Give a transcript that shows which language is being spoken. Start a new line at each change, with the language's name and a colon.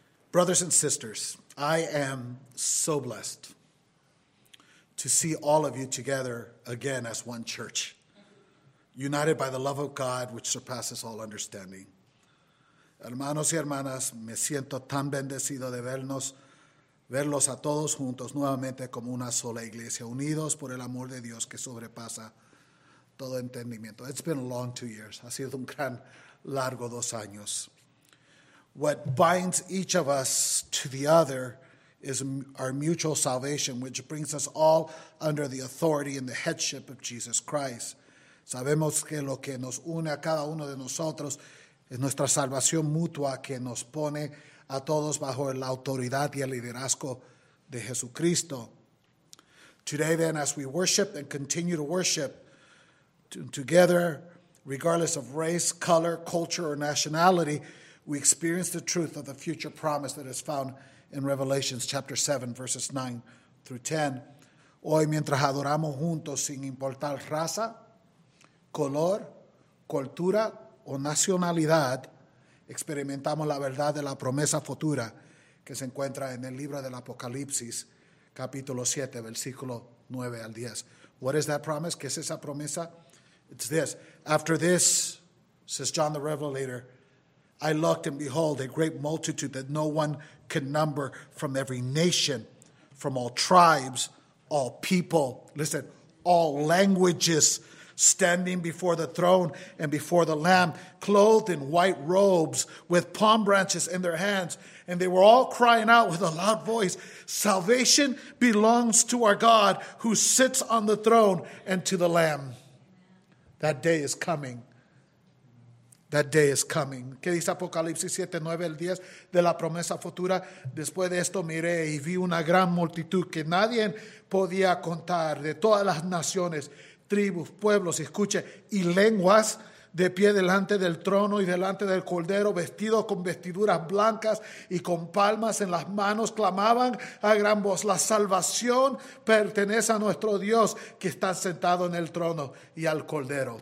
English: Brothers and sisters, I am so blessed to see all of you together again as one church, united by the love of God, which surpasses all understanding.
Spanish: Hermanos y hermanas, me siento tan bendecido de verlos a todos juntos nuevamente como una sola iglesia, unidos por el amor de Dios que sobrepasa todo entendimiento.
English: It's been a long 2 years.
Spanish: Ha sido un gran largo 2 años.
English: What binds each of us to the other is our mutual salvation, which brings us all under the authority and the headship of Jesus Christ.
Spanish: Sabemos que lo que nos une a cada uno de nosotros es nuestra salvación mutua que nos pone a todos bajo la autoridad y el liderazgo de Jesucristo.
English: Today then, as we worship and continue to worship together, regardless of race, color, culture, or nationality, we experience the truth of the future promise that is found in Revelations chapter 7, verses 9-10.
Spanish: Hoy, mientras adoramos juntos, sin importar raza, color, cultura, o nacionalidad, experimentamos la verdad de la promesa futura que se encuentra en el libro del Apocalipsis, capítulo 7, versículo 9-10.
English: What is that promise?
Spanish: ¿Qué es esa promesa?
English: It's this. After this, says John the Revelator, I looked and behold a great multitude that no one can number from every nation, from all tribes, all people, listen, all languages, standing before the throne and before the Lamb, clothed in white robes with palm branches in their hands. And they were all crying out with a loud voice, salvation belongs to our God who sits on the throne and to the Lamb. That day is coming. That day is coming.
Spanish: ¿Qué dice Apocalipsis 7, 9, el 10 de la promesa futura? Después de esto miré y vi una gran multitud que nadie podía contar, de todas las naciones, tribus, pueblos, escuche, y lenguas, de pie delante del trono y delante del cordero, vestidos con vestiduras blancas y con palmas en las manos, clamaban a gran voz: la salvación pertenece a nuestro Dios que está sentado en el trono y al cordero.